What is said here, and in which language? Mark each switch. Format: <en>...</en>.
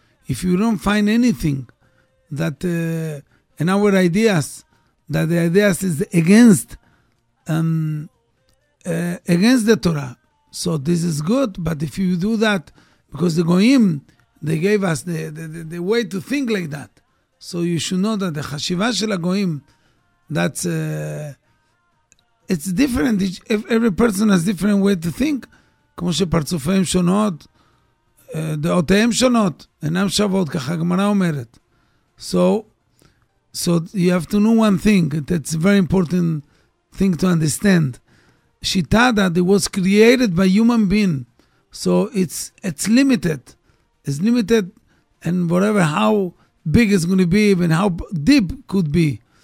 <en>If you don't find anything that in our ideas, that the ideas is against the Torah, so this is good. But if you do that, because the goyim, they gave us the way to think like that, so you should know that the</en> <he>chashiva shel goyim,</he> <en>that's it's different. Every person has different way to think.</en> <he>כמו שפרצופיהם שונות, דעותיהם שונות, אינם שוות, ככה הגמרא אומרת.</he> <en>So you have to know one thing, that's a very important thing to understand. Shita that it was created by human being, so it's limited. It's limited and whatever, how big it's going to be, even how deep could be.</en>